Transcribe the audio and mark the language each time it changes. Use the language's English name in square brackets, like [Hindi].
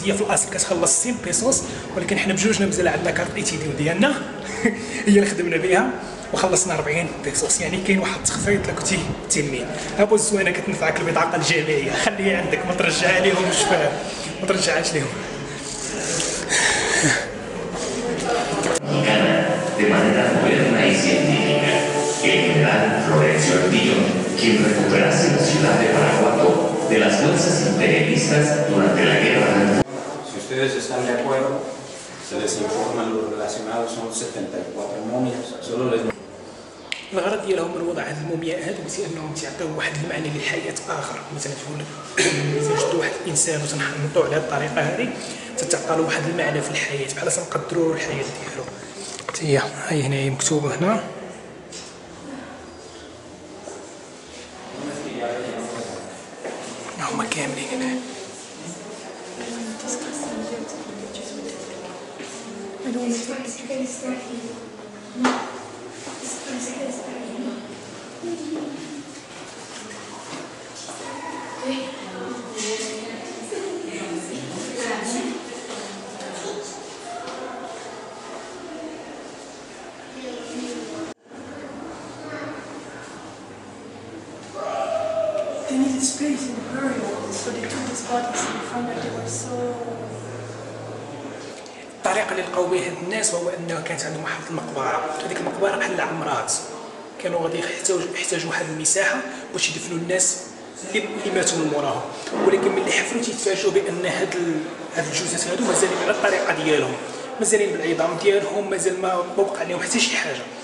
[Arabic] هي في الاصل كتخلص 60 بيسوس، ولكن حنا بجوجنا مازال عندنا كارت ايتيديو ديالنا هي اللي خدمنا بها وخلصنا 40 بيسوس. يعني كاين واحد التخفيض لكوتي تيمين. ها بو الزوينه كتنفعك البطاقه الجامعيه، خليها عندك ما ترجعها ليهمش، ما ترجعهاش ليهم. [Spanish] Gana de manera moderna y científica el gran Florencio Ardillo, quien recuperase la ciudad de Guanajuato de las fuerzas imperialistas durante la guerra. Si ustedes están de acuerdo, se les informa lo relacionado, son 74 momias, solo les... [Arabic] الغرض ديالهم من وضع هاد المومياء هادو هو انهم تيعطيو واحد المعنى للحياه اخر. مثلا تقول شفتو واحد الانسان وتنحنطو على هاد الطريقه هادي، تتعطى له واحد المعنى في الحياه، بحال تنقدرو الحياه ديالو. هي هاي هنايا مكتوبه هنا. هما كاملين هنا. [English] Thank you. place in a hurry, so they took these bodies and found that they were so... [Arabic] الطريقة اللي لقاو بها هاد الناس هو أنه كانت عندهم واحد المقبرة، هذيك المقبرة بحال عمرات كانوا غادي يحتاجوا واحد المساحة باش يدفنوا الناس اللي ماتوا من موراهم، ولكن ملي حفلوا تيتفاجئوا بأن هاد الجثث هادو مازالين على الطريقة ديالهم، مازالين بالعظام ديالهم، مازال ما وقع عليهم حتى شي حاجة.